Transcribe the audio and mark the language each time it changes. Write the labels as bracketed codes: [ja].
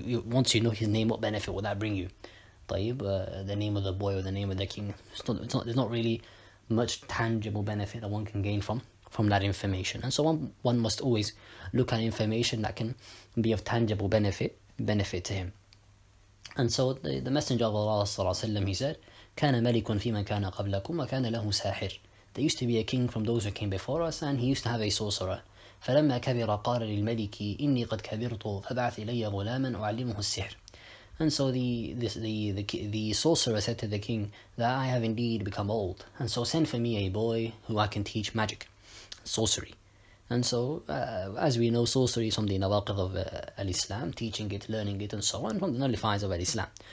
[en] Once you know his name, what benefit will that bring you? The name of the boy or the name of the king. There's not really much tangible benefit that one can gain from that information. And so one must always look at information that can be of tangible benefit to him. And so the Messenger of Allah, he said, [ar] كان ملك في من كان قبلكم وكان له ساحر. [en] There used to be a king from those who came before us and he used to have a sorcerer. [ar] فلما كبر قال للملك إني قد كبرت فبعث إلي غلاما أعلمه السحر. [en] And so the sorcerer said to the king that I have indeed become old, and so send for me a boy who I can teach magic, sorcery. And so, as we know, sorcery is from the nawaqidh of al-Islam, teaching it, learning it, and so on, from the nullifies of al-Islam.